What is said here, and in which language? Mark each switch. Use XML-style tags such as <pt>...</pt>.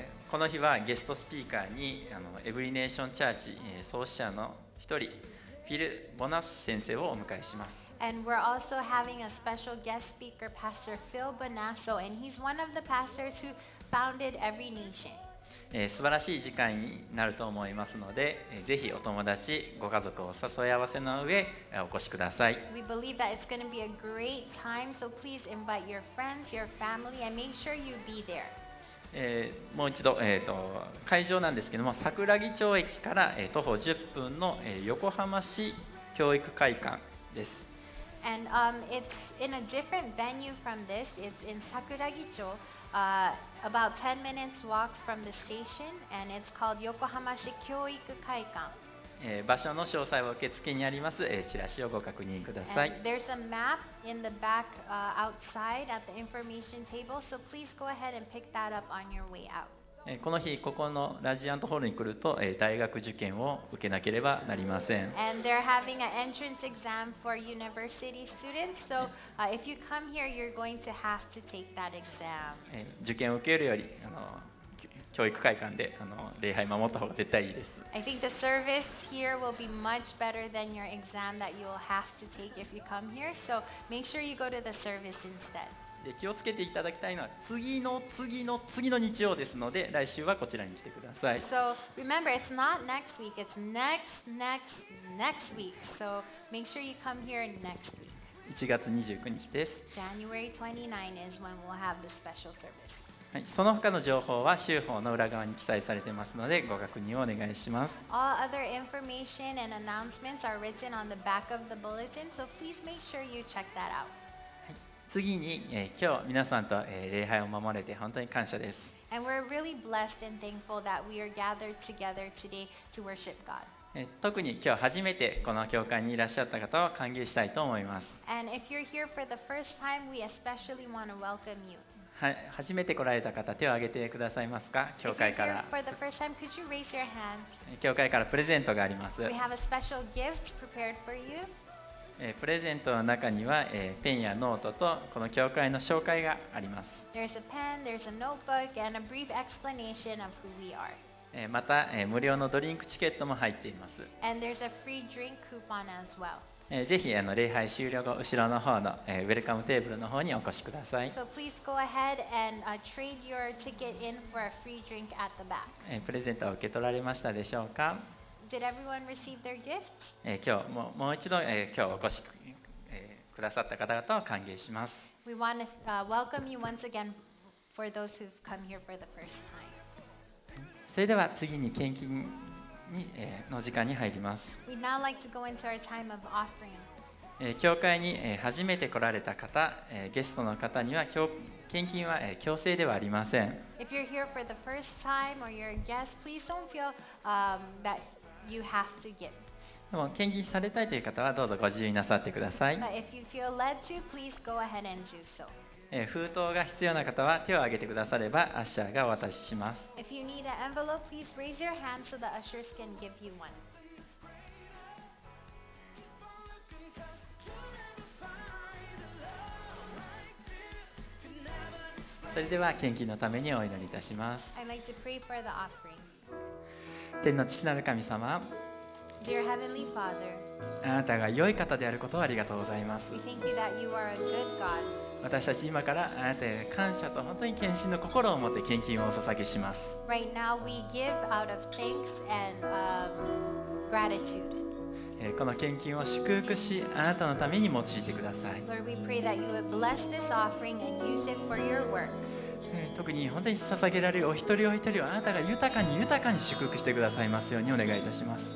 <ja>この日はゲストスピーカーにエブリネーションチャーチ創始者の一人フィル・ボナス先生をお迎えします。</ja> <en>And we're also having a special guest speaker, Pastor Phil Bonasso, and he's one of the pastors who founded Every Nation.</en> <ja>素晴らしい時間になると思いますので、ぜひお友達、ご家族を誘い合わせの上、お越しください。</ja> <en>We believe that it's going to be a great time, so please invite your friends, your family, and make sure you be there.</en> <ja>もう一度、会場なんですけども、桜木町駅から、徒歩10分の、横浜市教育会館です。</ja> <en>And, it's in a different venue from this. It's in 桜木町。 About 10 minutes walk from the station, and it's called 横浜市教育会館。</en> <ja>場所の詳細は受付にあります、チラシをご確認ください。</ja> <en>And there's a map in the back, outside at the information table, so please go ahead and pick that up on your way out.</en> <ja>この日ここのラジアントホールに来ると、大学受験を受けなければなりません。</ja> <en>And they're having an entrance exam for university students, so, if you come here, you're going to have to take that exam.</en> <ja>受験を受けるより教育会館で礼拝守った方が絶対いいです。</ja> <en>I think the service here will be much better than your exam that you will have to take if you come here, so make sure you go to the service instead.</en> <ja>で気をつけていただきたいのは次の次の次の日曜ですので来週はこちらに来てください。</ja> <en>So remember it's not next week, it's next, next, next week. So make sure you come here next week.</en> <ja>1月29日です。</ja> <en>January 29 is when we'll have the special service.</en> <ja>はい、その他の情報は週報の裏側に記載されていますのでご確認をお願いします。</ja> <en>All other information and announcements are written on the back of the bulletin, so please make sure you check that out.</en> <ja>次に、今日皆さんと、礼拝を守れて本当に感謝です。</ja> <en>And we're really blessed and thankful that we are gathered together today to worship God.</en> <ja>特に今日初めてこの教会にいらっしゃった方を歓迎したいと思います。</ja> <en>And if you're here for the first time, we especially want to welcome you.</en> <ja>初めて来られた方、手を挙げてくださいますか、教会から。</ja> <en>If you're here for the first time, could you raise your hand?</en> <ja>教会からプレゼントがあります。</ja> <en>We have a special gift prepared for you.</en> <ja>プレゼントの中には、ペンやノートとこの教会の紹介があります。</ja> <en>There's a pen, there's a notebook, and a brief explanation of who we are.</en> <ja>また、無料のドリンクチケットも入っています。</ja> <en>And there's a free drink coupon as well.</en> <ja>ぜひ礼拝終了後、後ろの方の、ウェルカムテーブルの方にお越しください。</ja> <en>So please go ahead and, trade your ticket in for a free drink at the back.</en> <ja>プレゼントを受け取られましたでしょうか？</ja> <en>Did everyone receive their gift?</en> <ja>今日もう一度、今日お越し、くださった方々を歓迎します。</ja> <en>We want to, welcome you once again for those who've come here for the first time.</en> <ja>それでは次に献金に、の時間に入ります。</ja> <en>We'd now like to go into our time of offering.</en> <ja>教会に、初めて来られた方、ゲストの方には献金は強制ではありません。</ja> <en>If you're here for the first time or you're a guest, please don't feel, thatYou have to give.</en> <ja>でも献金されたいという方はどうぞご自由になさってください。</ja> <en>But if you feel led to, please go ahead and do so.</en> <ja>封筒が必要な方は手を挙げてくださればアッシャーがお渡しします。</ja> <en>If you need an envelope, please raise your hand so the ushers can give you one.</en> <ja>それでは献金のためにお祈りいたします。</ja> <en>I'd like to pray for the offering.</en> <ja>天の父なる神様、</ja> <en>Dear Heavenly Father,</en> <ja>あなたが良い方であることをありがとうございます。</ja> <en>We thank you that you are a good God.</en> <ja>私たち今からあなたへ感謝と本当に献身の心を持って献金をお捧げします。</ja> <en>Right now we give out of thanks and gratitude.</en> <ja>この献金を祝福し、あなたのために用いてください。</ja> <en>Lord,</en> <ja>特に本当に捧げられるお一人お一人をあなたが豊かに豊かに祝福してくださいますようにお願いいたします。</ja>